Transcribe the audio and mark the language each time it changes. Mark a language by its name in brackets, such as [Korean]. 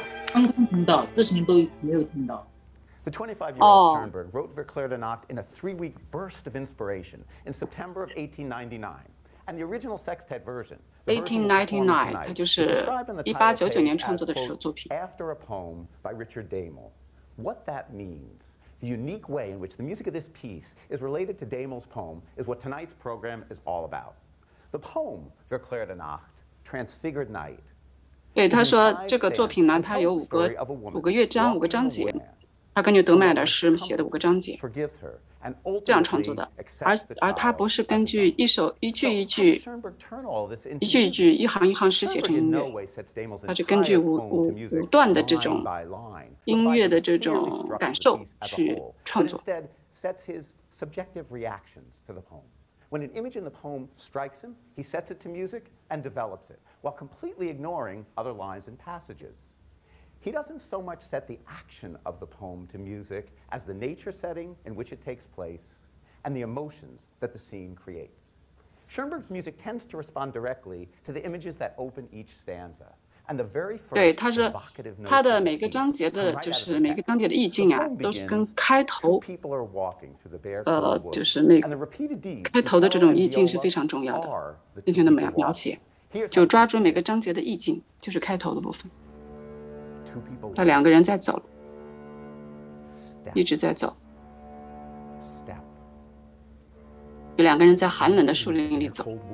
[Chinese] 刚刚听到，这声音都没有听到。 [English] The 25-year-old Schoenberg wrote Verklärte Nacht in a three-week burst of inspiration in September of 1899, and the original sextet version. [Chinese] 1899，它就是1899年创作的首作品。 [English] After a poem by Richard Damel, what that means. The unique way in which the music of this piece is related to Damel's poem is what tonight's program is all about. The poem, Verklärte Nacht, Transfigured Night. [Chinese] 对，他说这个作品呢，它有五个乐章，五个章节。他根据德麦的诗写的五个章节，这样创作的。而他不是根据一句一句一行一行诗写成音乐，他是根据五段的这种音乐的这种感受去创作。 [English] Sets his subjective reactions to the poem. When an image in the poem strikes him, he sets it to music and develops it, while completely ignoring other lines and passages. He doesn't so much set the action of the poem to music as the nature setting in which it takes place and the emotions that the scene creates. Schoenberg's music tends to respond directly to the images that open each stanza. And the very first evocative note of the piece comes right out of the text. The poem begins, two people are walking through the bare woods, and the repeated deeds of the poem and the poem are the two people walking. Here's the poem. That's the poem. [Chinese] 他两个人在走，一直在走，有两个人在寒冷的树林里走。